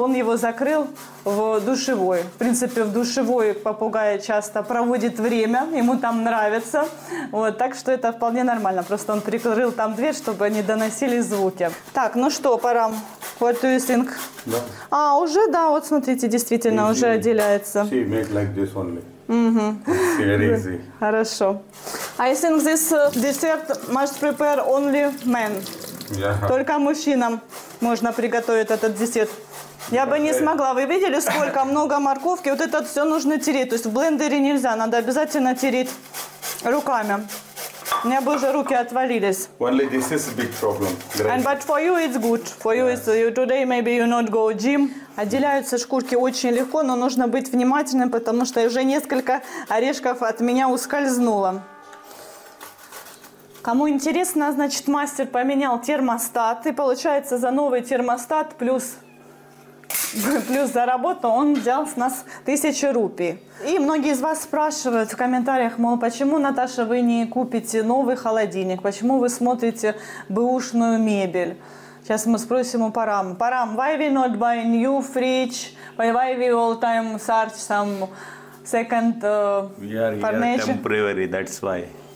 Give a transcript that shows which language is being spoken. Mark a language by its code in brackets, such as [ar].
[ru] Он его закрыл в душевой. В принципе, в душевой попугай часто проводит время, ему там нравится. Вот, так что это вполне нормально. Просто он прикрыл там дверь, чтобы не доносились звуки. Так, ну что, [en] Парам, what do you think? [ru] Да. А, уже, да, вот смотрите, действительно, easy. Уже отделяется. [en] See, make like this only. [ru] Хорошо. [en] I think this dessert must prepare only men. Yeah. [ru] Только мужчинам можно приготовить этот десерт. Я бы не смогла. Вы видели, сколько много морковки? Вот это все нужно тереть. То есть в блендере нельзя. Надо обязательно тереть руками. У меня бы уже руки отвалились. [en] Only this is a big problem. Great. And but for you it's good. For you yes. It's today maybe you not go gym. [ru] Отделяются шкурки очень легко, но нужно быть внимательным, потому что уже несколько орешков от меня ускользнуло. Кому интересно, значит, мастер поменял термостат. И получается, за новый термостат плюс за работу он взял с нас 1000 рупий. И многие из вас спрашивают в комментариях, мол, почему, Наташа, вы не купите новый холодильник? Почему вы смотрите бэушную мебель? Сейчас мы спросим у Парам. [en] Парам, why we not buy a new fridge? Why we all time search some second furniture? We are temporary, that's why.